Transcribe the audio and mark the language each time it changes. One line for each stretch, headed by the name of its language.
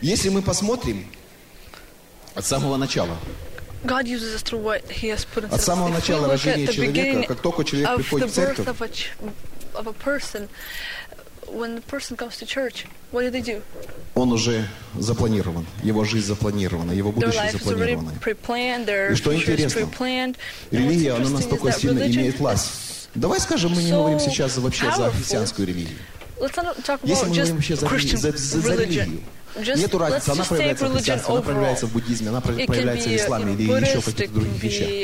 Russian: Если мы посмотрим от самого начала.
English: God uses us through what He has put into.
Russian: От самого начала рождения человека, как только человек приходит в церковь.
English: Of the birth of a person, when the person comes to church, what do they do?
Russian: Он уже запланирован. Его жизнь запланирована. Его будущее запланировано.
English: Their life is already pre-planned. Their future is pre-planned.
Russian: И что интересно? Религия, она настолько сильно имеет власть. Давай скажем, мы не говорим сейчас вообще за христианскую религию.
English: Let's not talk about just Christian religion.
Russian: Нету разницы, она проявляется в христианстве, она проявляется в буддизме, она проявляется в исламе или еще в каких-то других вещах.